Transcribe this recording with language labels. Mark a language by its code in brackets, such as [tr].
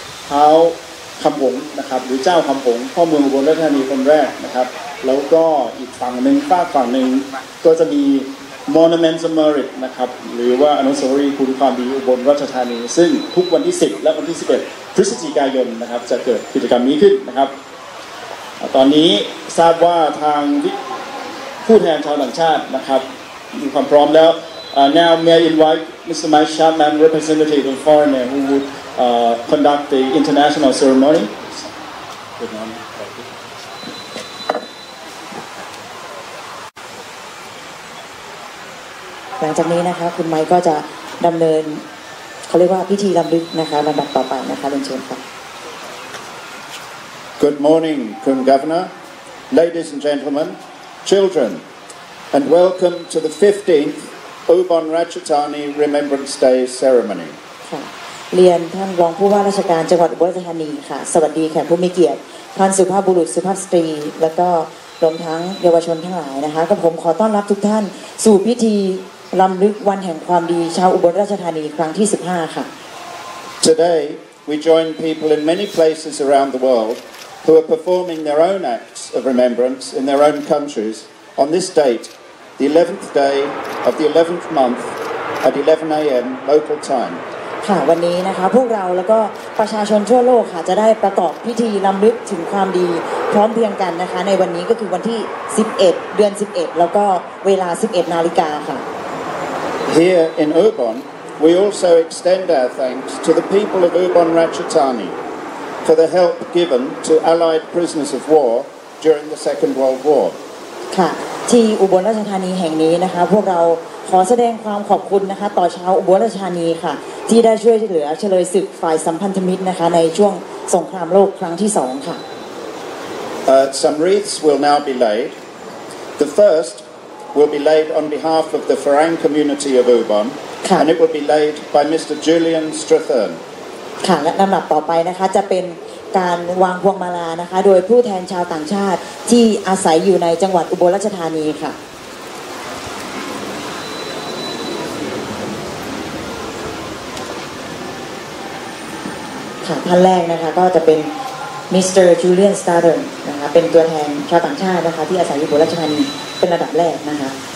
[th] ท้าวคำผงนะครับหรือเจ้าคำผงพ่อเมืองอุบลราชธานีคนแรกนะครับแล้วก็อีกฝั่งหนึ่งฝากฝั่งหนึ่งก็จะมี Monuments of Merit นะครับหรือว่าอนุสาวรีย์คุณความดีอุบลราชธานีซึ่งทุกวันที่10และวันที่11พฤศจิกายนนะครับจะเกิดกิจกรรมนี้ขึ้นนะครับตอนนี้ทราบว่าทางผู้แทนชาวต่างชาตินะครับมีความพร้อมแล้ว [en] now may I invite Mr. Mike Chapman, representative of foreigner who would conduct the international ceremony. Good morning. Thank you. [th] หลังจากนี้นะคะคุณไมค์ก็จะดำเนินเขาเรียกว่าพิธีรำลึกนะคะลำดับต่อไปนะคะเรียนเชิญค่ะ [en] Good morning, Kun Governor, ladies and gentlemen, children, and welcome to the 15th Ubon Ratchathani Remembrance Day ceremony. [th] ค่ะ เรียนท่านรองผู้ว่าราชการจังหวัดอุบลราชธานีค่ะ สวัสดีค่ะผู้มีเกียรติ ท่านสุภาพบุรุษสุภาพสตรีแล้วก็รวมทั้งเยาวชนทั้งหลายนะคะ กับผมขอต้อนรับทุกท่านสู่พิธีรำลึกวันแห่งความดีชาวอุบลราชธานีครั้งที่15ค่ะ [en] Today we join people in many places around the world. Who are performing their own acts of remembrance in their own countries on this date, the 11th day of the 11th month at 11 a.m. local time. [th] ค่ะวันนี้นะคะพวกเราแล้วก็ประชาชนทั่วโลกค่ะจะได้ประกอบพิธีรำลึกถึงความดีพร้อมเพียงกันนะคะในวันนี้ก็คือวันที่11เดือน11แล้วก็เวลา11นาฬิกาค่ะ [en] Here in Ubon, we also extend our thanks to the people of Ubon Ratchathani. For the help given to Allied prisoners of war during the Second World War. [th] ค่ะที่อุบลราชธานีแห่งนี้นะคะพวกเราขอแสดงความขอบคุณนะคะต่อชาวอุบลราชธานีค่ะที่ได้ช่วยเหลือเฉลยศึกฝ่ายสัมพันธมิตรนะคะในช่วงสงครามโลกครั้งที่สองค่ะ [en] Some wreaths will now be laid. The first will be laid on behalf of the Farang community of Ubon, and it will be laid by Mr. Julian Strathern. [th] ค่ะและลำดับต่อไปนะคะจะเป็นการวางพวงมาลานะคะโดยผู้แทนชาวต่างชาติที่อาศัยอยู่ในจังหวัดอุบลราชธานีค่ะ ค่ะท่านแรกนะคะก็จะเป็นมิสเตอร์จูเลียนสตาร์เดนนะคะเป็นตัวแทนชาวต่างชาตินะคะที่อาศัยอยู่อุบลราชธานีเป็นระดับแรกนะคะ